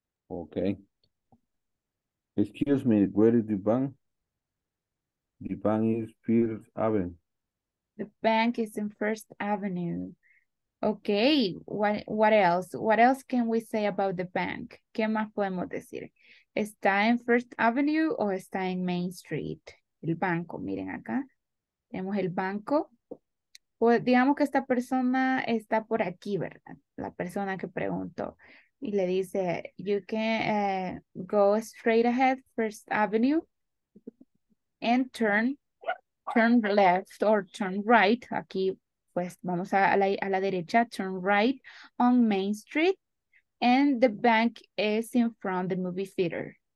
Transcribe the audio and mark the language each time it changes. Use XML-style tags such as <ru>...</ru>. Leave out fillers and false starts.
<en>Okay. Excuse me, where is the bank? The bank is First Avenue. The bank is in First Avenue. Okay, what else? What else can we say about the bank?</en> <es>¿Qué más podemos decir? ¿Está en First Avenue o está en Main Street? El banco, miren acá. Tenemos el banco. Pues digamos que esta persona está por aquí, ¿verdad? La persona que preguntó. Y le dice,</es> <en>you can go straight ahead, First Avenue, and turn left or turn right.</en> <es>Aquí, pues, vamos a la derecha,</es> <en>turn right on Main Street, and the bank is in front of the movie theater.</en>